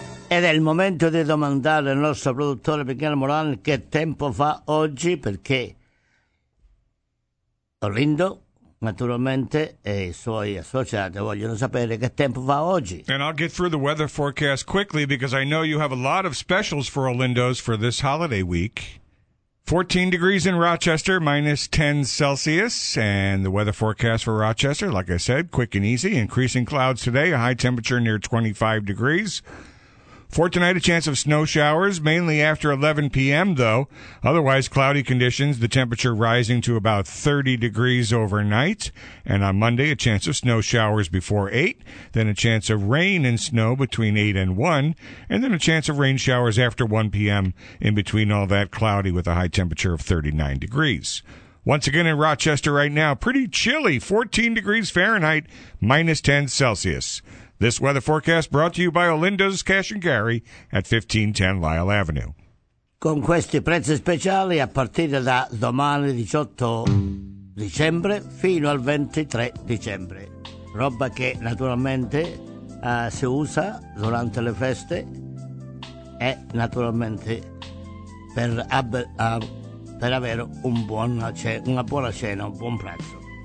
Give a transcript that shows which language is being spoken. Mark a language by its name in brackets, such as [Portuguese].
[Italian] Ed è il momento di domandare al nostro produttore Michele Moran che tempo fa oggi, perché Orlindo, naturalmente, e i suoi associati vogliono sapere che tempo fa oggi. [English] And I'll get through the weather forecast quickly because I know you have a lot of specials for Orlindo's for this holiday week. 14 degrees in Rochester, minus 10 Celsius, and the weather forecast for Rochester, like I said, quick and easy. Increasing clouds today, a high temperature near 25 degrees. For tonight, a chance of snow showers, mainly after 11 p.m., though. Otherwise, cloudy conditions, the temperature rising to about 30 degrees overnight. And on Monday, a chance of snow showers before 8, then a chance of rain and snow between 8 and 1, and then a chance of rain showers after 1 p.m. in between all that cloudy with a high temperature of 39 degrees. Once again in Rochester right now, pretty chilly, 14 degrees Fahrenheit, minus 10 Celsius. This weather forecast brought to you by Olinda's Cash and Carry at 1510 Lyle Avenue. [Italian] Con questi prezzi speciali a partire da domani 18 dicembre fino al 23 dicembre. Roba che naturalmente si usa durante le feste e naturalmente per avere una buona cena, un buon prezzo.